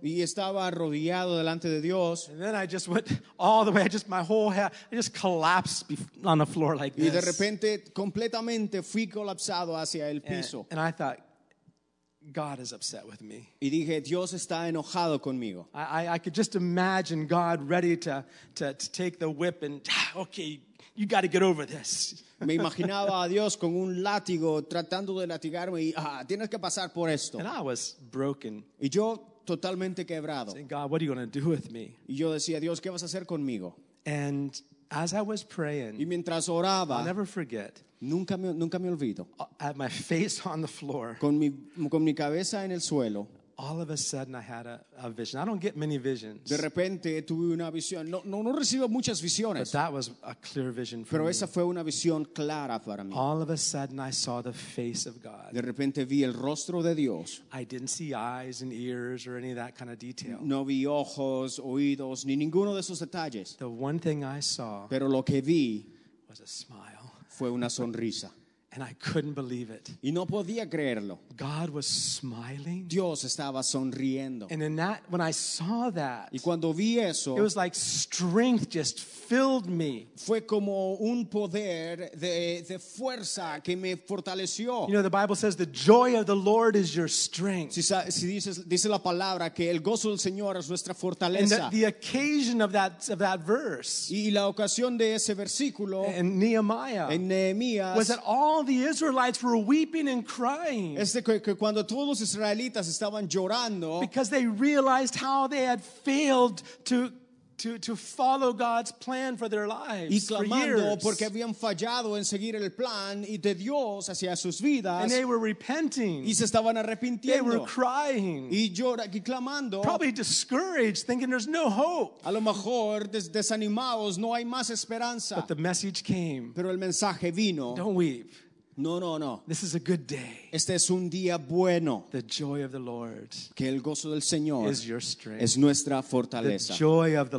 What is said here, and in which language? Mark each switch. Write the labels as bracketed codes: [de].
[es] Y estaba arrodillado delante de Dios. [en] And then I just went all the way. I just collapsed on the floor like this. [es] Y de repente, completamente fui colapsado hacia el piso. [en] And I thought, God is upset with me. [es] Y dije, Dios está enojado conmigo. [en] I could just imagine God ready to take the whip and, okay, you got to get over this. [es] Me imaginaba a Dios con un látigo tratando de latigarme y tienes que pasar por esto. [en] And I was broken. [es] Y yo totalmente quebrado. [en] Saying, God, what are you going to do with me? [es] Y yo decía, Dios, ¿qué vas a hacer conmigo? [en] And as I was praying, [es] y mientras oraba, [en] I'll never forget. [es] Nunca me olvido. [en] At my face on the floor. [es] Con mi cabeza en el suelo. [en] all of a sudden I had a vision. I don't get many visions. [es] De repente tuve una visión. No recibo muchas visiones. [en] But that was a clear vision for [es] Pero [en] me. [es] Pero esa fue una visión clara para mí. [en] All of a sudden I saw the face of God. [es] De repente vi el rostro de Dios. [en] I didn't see eyes and ears or any of that kind of detail. [es] No vi ojos, oídos, ni ninguno de esos detalles. [en] The one thing I saw [es] Pero lo que vi [en] was a smile. [es] Fue una sonrisa. [en] And I couldn't believe it. [es] Y no podía creerlo. [en] God was smiling. [es] Dios estaba sonriendo. [en] And in that, when I saw that, [es] y cuando vi eso, [en] it was like strength just filled me. [es] Fue como un poder de fuerza que me fortaleció. [en] You know, the Bible says the joy of the Lord is your strength. [es] Si dice la palabra que el gozo del Señor es nuestra fortaleza. [en] And the occasion of that verse. [es] Y la ocasión de ese versículo. En Nehemías. [en] Was that all the Israelites were weeping and crying. [es] Que cuando todos los israelitas estaban llorando. [en] Because they realized how they had failed to follow God's plan for their lives. [es] Y clamando porque habían fallado en seguir el plan y de Dios hacia sus vidas. [en] And they were repenting. [es] Y se estaban arrepintiendo. [en] They were crying. [es] Y clamando. [en] Probably discouraged, thinking there's no hope. [es] A lo mejor desanimados, no hay más esperanza. [en] But the message came. [es] Pero el mensaje vino. [en] Don't weep. [es] No. [en] This is a good day. [es] Este es un día bueno. [en] The joy of the Lord. [es] Que el gozo del Señor [en] is your strength. [es] Es nuestra fortaleza. [en] The joy of the